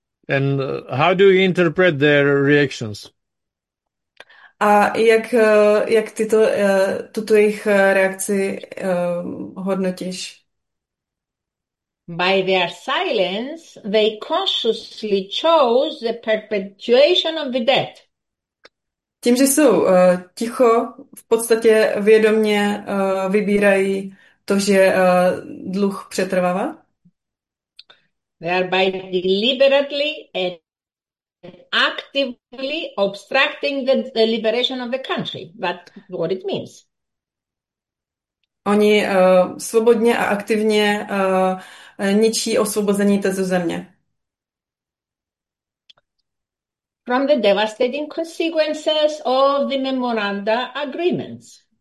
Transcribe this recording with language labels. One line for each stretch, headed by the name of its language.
English: And how do you interpret their reactions?
Czech: A jak tyto tuto jejich reakci hodnotíš?
English: By their silence, they consciously chose the perpetuation of the debt.
Czech: Tím, že jsou ticho, v podstatě vědomě vybírají to, že dluh přetrvává.
English: Thereby deliberately and actively obstructing the liberation of the country. That's what it means.
Czech: Oni svobodně a aktivně ničí osvobození této země.
English: From the devastating consequences of the memoranda agreements.